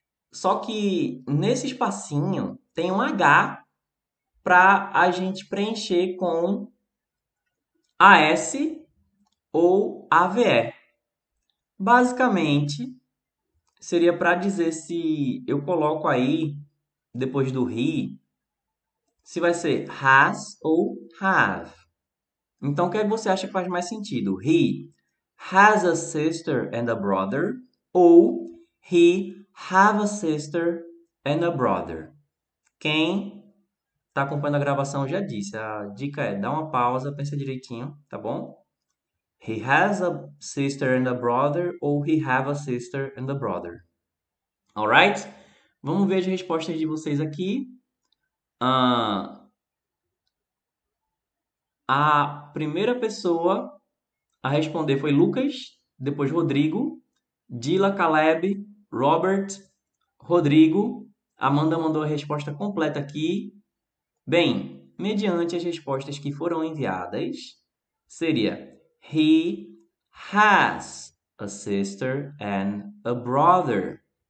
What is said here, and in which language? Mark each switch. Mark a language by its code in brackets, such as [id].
[pt] Só que nesse espacinho tem um H para a gente preencher com AS ou AVE. Basicamente, seria para dizer se eu coloco aí, depois do he, se vai ser has ou have. Então, o que você acha que faz mais sentido? [en] He has a sister and a brother ou he have a sister and a brother? [pt] Quem está acompanhando a gravação já disse. A dica é dar uma pausa, pensa direitinho, tá bom? [en] He has a sister and a brother ou he have a sister and a brother? [pt] Alright? Vamos ver as respostas de vocês aqui. A primeira pessoa a responder foi Lucas, depois Rodrigo, Dila, Caleb, Robert, Rodrigo. Amanda mandou a resposta completa aqui. Bem, mediante as respostas que foram enviadas, seria [en] He has a sister and a brother.